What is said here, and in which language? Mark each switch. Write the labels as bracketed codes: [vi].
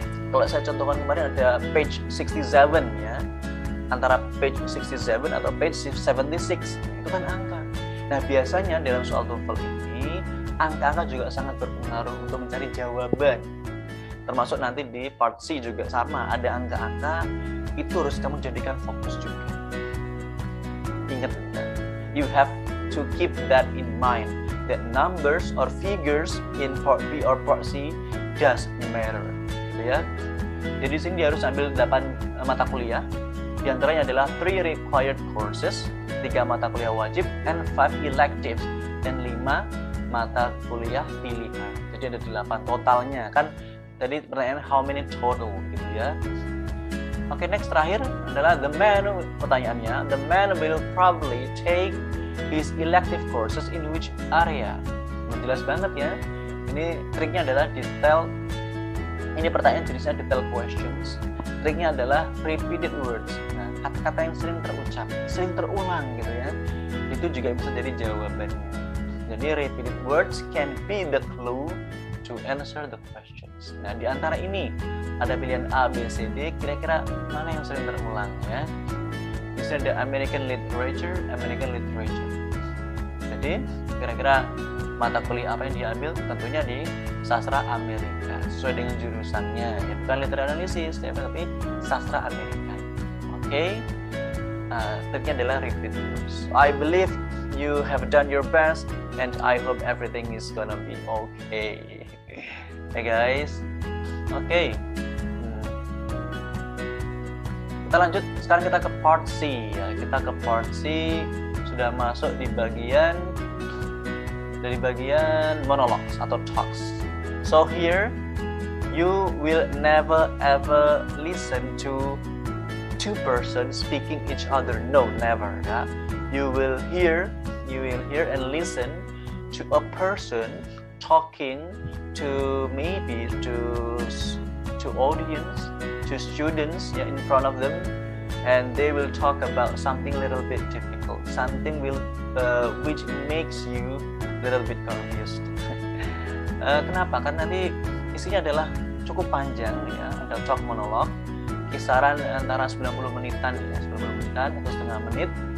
[id] Kalau saya contohkan kemarin ada page 67 ya, antara page 67 atau page 76, itu kan angka. Nah biasanya dalam soal TOEFL ini, angka-angka juga sangat berpengaruh untuk mencari jawaban. Termasuk nanti di part C juga sama, ada angka-angka, itu harus kamu jadikan fokus juga. Ingat, [en] you have to keep that in mind, that numbers or figures in part B or part C does matter. [id] Ya? Jadi di sini dia harus ambil 8 mata kuliah, di antaranya adalah 3 [en] required courses, [id] 3 mata kuliah wajib, [en] and 5 electives, [id] dan 5 mata kuliah pilihan. Jadi ada 8 totalnya, kan? Jadi pertanyaan [en] how many total [id] gitu ya. [en] Oke, next [id] terakhir adalah [en] the man, [id] pertanyaannya [en] the man will probably take his elective courses in which area. [id] Jelas banget ya. Ini triknya adalah detail. Ini pertanyaan jenisnya detail questions. Triknya adalah repeated words. Nah, kata-kata yang sering terucap, sering terulang gitu ya. Itu juga bisa jadi jawabannya. [en] Jadi repeated words can be the clue to answer the questions. [id] Nah, di antara ini ada pilihan A, B, C, D, kira-kira mana yang sering terulang ya? [en] Is it the American literature? American literature. [id] Jadi, kira-kira mata kuliah apa yang diambil? Tentunya di sastra Amerika, sesuai dengan jurusannya. Ya, bukan literary analysis, tapi sastra Amerika. Oke. Tipnya adalah repeat words. [en] I believe you have done your best and I hope everything is gonna be okay. Hey guys, oke. [id] Kita lanjut, sekarang kita ke part C ya. Kita ke part C, sudah masuk di bagian dari bagian monologs atau talks. [en] So here, you will never ever listen to two persons speaking each other. No, never. Ya. You will hear and listen to a person talking to maybe to audience, to students yeah, in front of them, and they will talk about something little bit difficult, something will which makes you little bit confused. [id] Kenapa? Karena nanti isinya adalah cukup panjang ya, ada talk monolog, kisaran antara 90 menitan ya, 90 menitan atau setengah menit.